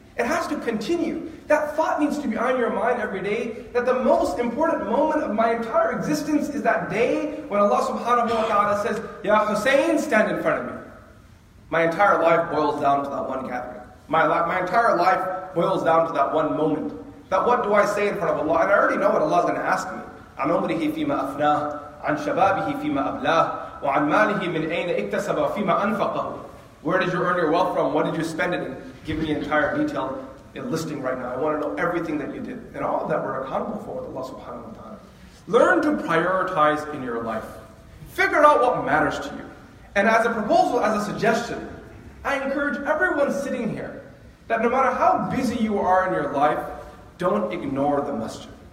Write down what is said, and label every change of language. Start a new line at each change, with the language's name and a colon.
English: It has to continue. That thought needs to be on your mind every day, that the most important moment of my entire existence is that day when Allah subhanahu wa ta'ala says, Ya Hussein, stand in front of me. My entire life boils down to that one gathering. My entire life boils down to that one moment. That what do I say in front of Allah? And I already know what Allah is going to ask me.
Arabic: عن عمره فيما أفناه عن شبابه فيما أبلاه وعن ماله من أين اكتسب فيما أنفقه.
English: Where did you earn your wealth from? What did you spend it in? Give me entire detail in listing right now. I want to know everything that you did. And all of that we're accountable for with Allah subhanahu wa ta'ala. Learn to prioritize in your life. Figure out what matters to you. And as a proposal, as a suggestion, I encourage everyone sitting here that no matter how busy you are in your life, don't ignore the masjid.